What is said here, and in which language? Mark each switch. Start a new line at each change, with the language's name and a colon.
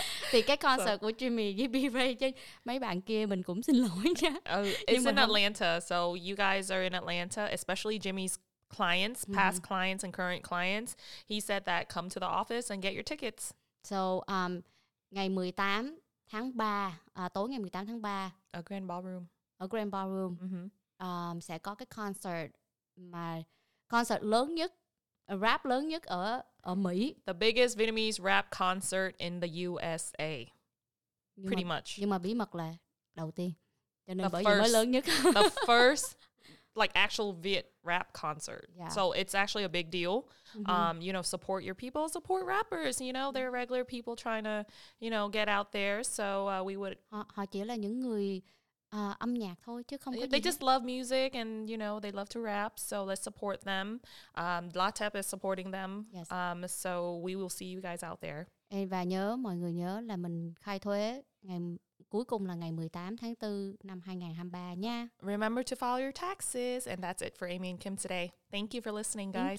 Vietnamese: Thì cái concert của Jimmy với B-Ray chứ mấy bạn kia mình cũng xin lỗi nha.
English: It's in Atlanta, so you guys are in Atlanta, especially Jimmy's clients, past clients and current clients. He said that come to the office and get your tickets.
Vietnamese: So ngày 18 tháng 3, tối ngày 18 tháng 3.
English: A grand ballroom. Mm-hmm.
Vietnamese: Sẽ có cái concert mà concert lớn nhất, rap lớn nhất ở Mỹ.
English: The biggest Vietnamese rap concert in the USA.
Vietnamese: Nhưng
English: pretty
Vietnamese: mà,
English: much.
Vietnamese: Nhưng mà bí mật là đầu tiên. Cho nên bởi vì mới lớn nhất.
English: The first like actual Viet rap concert. Yeah. So it's actually a big deal. Mm-hmm. You know, support your people, support rappers, you know, they're regular people trying to, you know, get out there. So we would
Vietnamese: họ chỉ là những người âm nhạc thôi, chứ không có
English: they just love music and you know they love to rap, so let's support them. LaTeP is supporting them. Yes. So we will see you guys out there.
Vietnamese: Và nhớ mọi người nhớ là mình khai thuế ngày cuối cùng là ngày 18 tháng 4 năm 2023 nha.
English: Remember to file your taxes. And that's it for Amy and Kim today. Thank you for listening, guys.